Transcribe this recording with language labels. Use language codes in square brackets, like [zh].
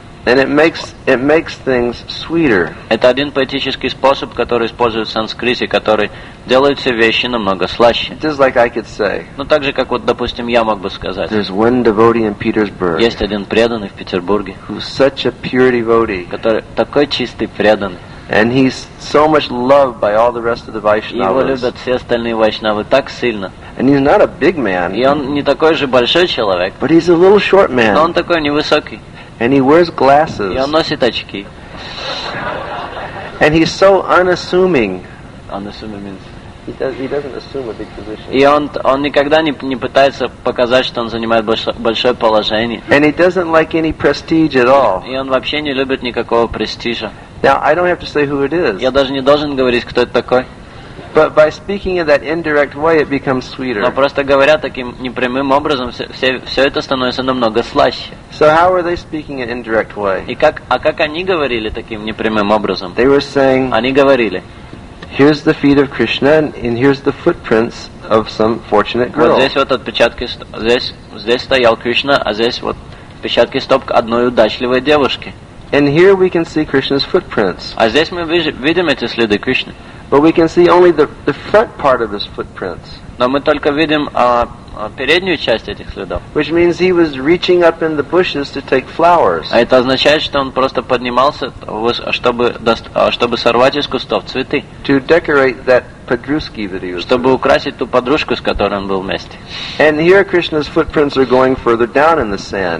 [en] And it makes things sweeter. [ru] Это один поэтический способ, который используют в санскрите, который делает все вещи намного слаще. [en] Just like I could say. [ru] Ну так же, как вот, допустим, я мог бы сказать. [en] There's one devotee in Petersburg. [ru] Есть один преданный в Петербурге. [en] Who's such a pure devotee. [ru] Который такой чистый преданный. [en] And he's so much loved by all the rest of the Vaishnavas. [ru] Его любят все остальные вайшнавы так сильно. [en] And he's not a big man. [ru] И он не такой же большой человек. [en] But he's a little short man. [ru] Но он такой невысокий. [en] And he wears glasses. [ru] И он носит очки. [en] And he's so unassuming. Unassuming means he doesn't assume a big position. [ru] И он никогда не пытается показать, что он занимает большое положение. [en] And he doesn't like any prestige at all. [ru] И он вообще не любит никакого престижа. [en] Now I don't have to say who it is. [ru] Я даже не должен говорить, кто это такой. [en] But by speaking in that indirect way, it becomes sweeter. [ru] Но просто говоря таким непрямым образом, все это становится намного слаще. [en] So how are they speaking in indirect way? [ru] А как они говорили таким непрямым образом? [en] They were saying. [ru] Они говорили. [en] Here's the feet of Krishna, and here's the footprints of some fortunate girl. [ru] Вот здесь вот отпечатки здесь стоял Кришна, а здесь вот отпечатки стоп одной удачливой девушки. [en] And here we can see Krishna's footprints. [ru] А здесь мы видим эти следы Кришны. [en] But we can see only the front part of his footprints. [ru] Но мы только видим переднюю часть этих следов. [en] Which means he was reaching up in the bushes to take flowers. [ru] А это означает, что он просто поднимался, чтобы сорвать из кустов цветы. [en] To decorate that подружки, that he was. [ru] Чтобы украсить ту подружку, с которой он был вместе. [en] And here Krishna's footprints are going further down in the sand.